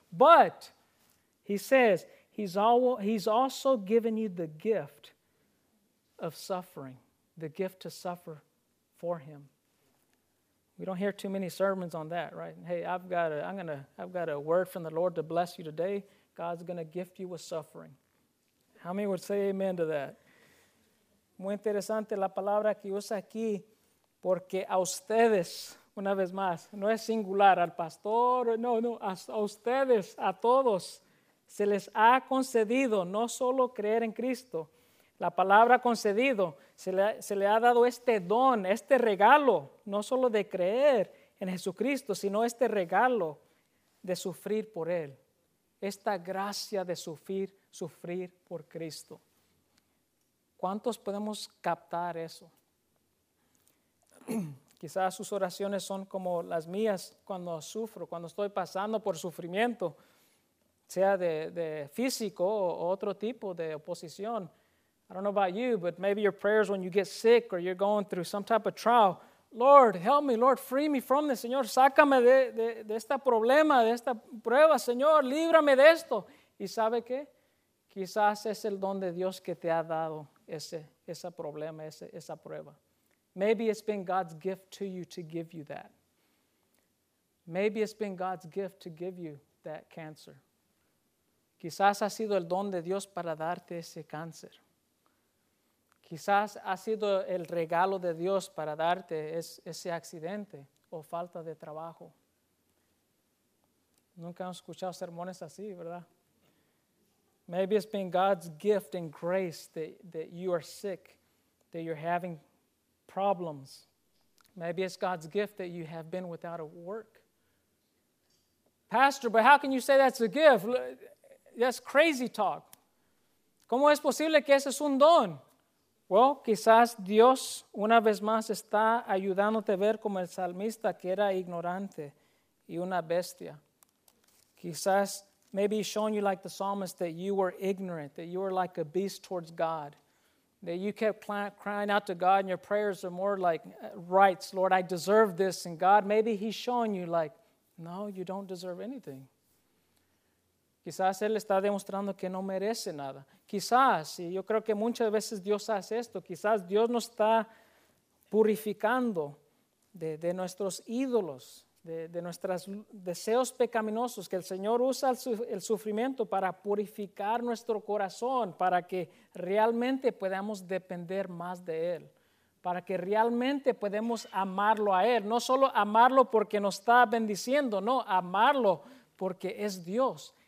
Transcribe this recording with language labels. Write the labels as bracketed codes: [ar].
[en] But He says he's also given you the gift of suffering, the gift to suffer for Him. We don't hear too many sermons on that, right? Hey, I've got a word from the Lord to bless you today. God's going to gift you with suffering. How many would say amen to that? [es] Muy interesante la palabra que usa aquí, porque a ustedes, una vez más, no es singular al pastor, no, a ustedes, a todos, se les ha concedido no solo creer en Cristo, la palabra concedido, se le ha dado este don, este regalo, no solo de creer en Jesucristo, sino este regalo de sufrir por Él, esta gracia de sufrir por Cristo. ¿Cuántos podemos captar eso? Quizás sus oraciones son como las mías cuando sufro, cuando estoy pasando por sufrimiento, sea de físico o otro tipo de oposición. [en] I don't know about you, but maybe your prayers when you get sick or you're going through some type of trial. Lord, help me. Lord, free me from this. [es] Señor, sácame de este problema, de esta prueba. Señor, líbrame de esto. ¿Y sabe qué? Quizás es el don de Dios que te ha dado ese problema, esa prueba. [en] Maybe it's been God's gift to you to give you that. Maybe it's been God's gift to give you that cancer. [es] Quizás ha sido el don de Dios para darte ese cáncer. Quizás ha sido el regalo de Dios para darte ese accidente o falta de trabajo. Nunca hemos escuchado sermones así, ¿verdad? [en] Maybe it's been God's gift and grace that you are sick, that you're having problems. Maybe it's God's gift that you have been without a work. Pastor, but how can you say that's a gift? That's crazy talk. [es] ¿Cómo es posible que ese es un don? Well, quizás Dios una vez más está ayudándote a ver como el salmista que era ignorante y una bestia. [en] Quizás maybe showing you like the psalmist that you were ignorant, that you were like a beast towards God, that you kept crying out to God and your prayers are more like rights, Lord, I deserve this. And God, maybe he's showing you like, no, you don't deserve anything. [es] Quizás él está demostrando que no merece nada. Quizás, y yo creo que muchas veces Dios hace esto, quizás Dios nos está purificando de nuestros ídolos, de nuestros deseos pecaminosos, que el Señor usa el sufrimiento para purificar nuestro corazón, para que realmente podamos depender más de Él, para que realmente podamos amarlo a Él. No solo amarlo porque nos está bendiciendo, no, amarlo porque es Dios.